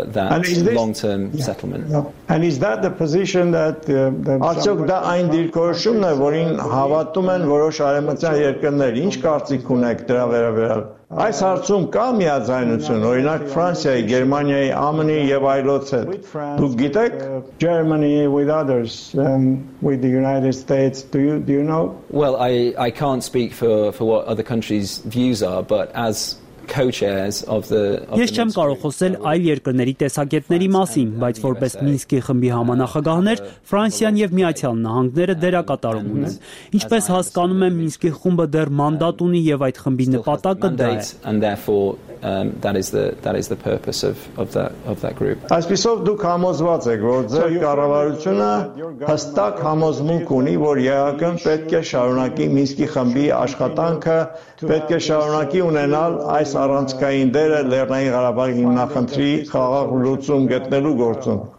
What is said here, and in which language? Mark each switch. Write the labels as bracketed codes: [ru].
[hy] կարգավորմանը։ Արդյոք դա այն դիրքորոշումն է, որին հավատում են որոշ արևմտյան երկրներ, ինչ կարծիք ունեք դրա վերաբերյալ։ Այս հարցում կա միաձայնություն, օրինակ Ֆրանսիայի, Գերմանիայի, ԱՄՆ-ի եւ այլոց հետ։ Դուք գիտեք [en] Germany with others and with the United States, do you know? Well, I can't speak for what other countries' views are, but as co-chairs of the [hy] Ես չեմ կարող խոսել այլ երկրների տեսակետների մասին, բայց որպես Մինսկի խմբի համանախագահներ, Ֆրանսիան եւ Միացյալ Նահանգները դերակատարում ունեն։ Ինչպես հասկանում եմ, Մինսկի խումբը դեռ մանդատ ունի եւ այդ խմբի նպատակը դա է։ [en] That is the purpose of that group. [hy] Այսպիսով դուք համոզված եք, որ ձեր կառավարությունը հստակ համոզմունք ունի, որ ՀԱԿ-ն պետք է շարունակի Մինսկի խմբի աշխատանքը, պետք է շարունակի ունենալ այս առանցքային դերը Լեռնային Ղարաբաղի հիմնախնդրի խաղաղ լուծում գտնելու գործում։